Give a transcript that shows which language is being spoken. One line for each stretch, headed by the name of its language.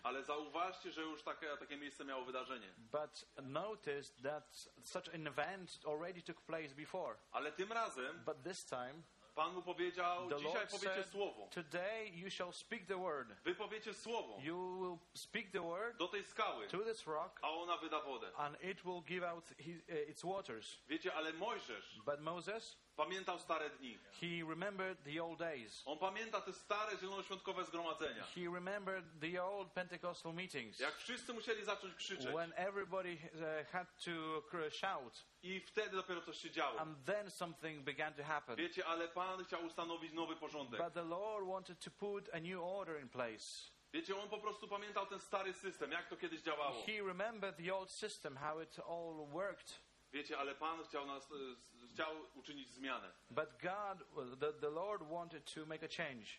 Polish: Ale zauważcie, że już takie miejsce miało wydarzenie.
English: But notice that such an event already took place before.
Polish: Ale tym razem,
English: but this time,
Polish: Pan mu powiedział,
English: the
Polish: dzisiaj
English: Lord
Polish: powiecie
English: said,
Polish: słowo.
English: Today you shall speak the word.
Polish: Wy powiecie słowo.
English: You will speak the word
Polish: do tej skały.
English: To this rock,
Polish: a ona wyda wodę.
English: And it will give out its waters.
Polish: Wiecie, ale Mojżesz.
English: But Moses.
Polish: Pamiętał stare dni.
English: He remembered the old days.
Polish: On pamięta te stare zielonoświątkowe zgromadzenia.
English: He remembered the old Pentecostal meetings.
Polish: Jak wszyscy musieli zacząć krzyczeć.
English: When everybody had to shout.
Polish: I wtedy dopiero coś się działo.
English: And then something began to happen.
Polish: Wiecie, ale Pan chciał ustanowić nowy porządek.
English: But the Lord wanted to put a new order in place.
Polish: Wiecie, on po prostu pamiętał ten stary system, jak to kiedyś działało.
English: He remembered the old system, how it all worked.
Polish: Wiecie, ale Pan chciał uczynić zmianę.
English: But God, the Lord wanted to make a change.